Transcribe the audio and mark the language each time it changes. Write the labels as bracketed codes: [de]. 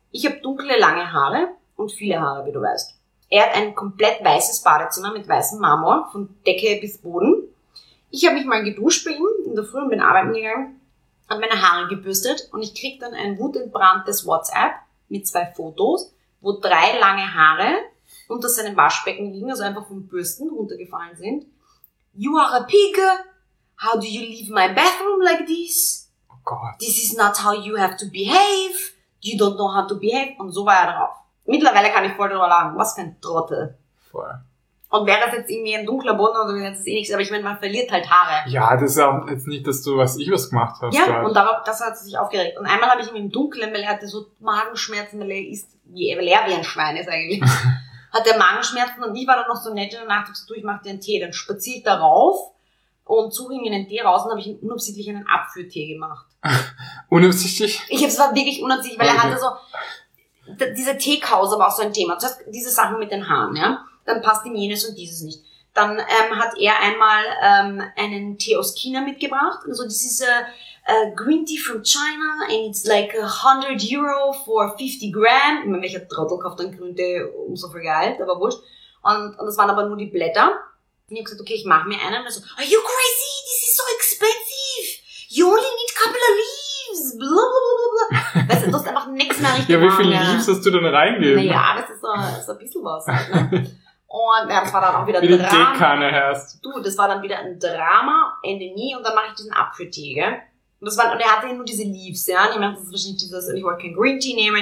[de] Ich habe dunkle, lange Haare und viele Haare, wie du weißt. Er hat ein komplett weißes Badezimmer mit weißem Marmor, von Decke bis Boden. Ich habe mich mal geduscht bei ihm in der Früh und bin arbeiten gegangen, habe meine Haare gebürstet und ich kriege dann ein wutentbranntes WhatsApp mit 2 Fotos, wo 3 lange Haare unter seinem Waschbecken liegen, also einfach vom Bürsten runtergefallen sind. [en] You are a pig. How do you leave my bathroom like this? [de] Oh Gott. [en] This is not how you have to behave. You don't know how to behave. [de] Und so war er drauf. Mittlerweile kann ich voll drüber lachen. Was für ein Trottel. Voll. Und wäre das jetzt irgendwie ein dunkler Boden oder so, das ist eh nichts. Aber ich meine, man verliert halt Haare. Ja, das ist auch jetzt nicht, dass du, was ich was gemacht habe. Ja, grad. Und darauf, das hat sich aufgeregt. Und einmal habe ich ihm im Dunkeln, weil er hatte so Magenschmerzen, weil er wie ein Schwein ist eigentlich. Hat er Magenschmerzen und ich war dann noch so nett in der Nacht, hab gesagt, du, ich mach dir einen Tee. Dann spaziert er rauf und suche ihm einen Tee raus und habe ich ihm unabsichtlich einen Apfeltee gemacht. Unabsichtlich? Es war wirklich unabsichtlich, weil okay. Er hatte so, diese Teekause war auch so ein Thema. Zuerst diese Sachen mit den Haaren, ja. Dann passt ihm jenes und dieses nicht. Dann hat er einmal einen Tee aus China mitgebracht. Also das ist [en] Green Tea from China and it's like 100 Euro for 50 Gramm. [de] Ich meine, welcher Trottel kauft dann grüne Tee, umso viel Geld, aber wurscht. Und das waren aber nur die Blätter. Und ich habe gesagt, okay, ich mache mir einen. Und er so, [en] are you crazy? This is so expensive. You only need a couple of leaves. Blablabla. [de] Weißt du, du hast einfach nichts mehr richtig. Ja, wie viele Leaves hast du denn reingegeben? Naja, das ist ein bisschen was. Und das war dann auch wieder ein Drama. Wie die Dekane hörst. Du, das war dann wieder ein Drama, Ende nie. Und dann mache ich diesen Apfeltee, gell? Und er hatte ja nur diese Leaves, ja? Und ich mache das wahrscheinlich dieses, und ich wollte kein Green Tea nehmen.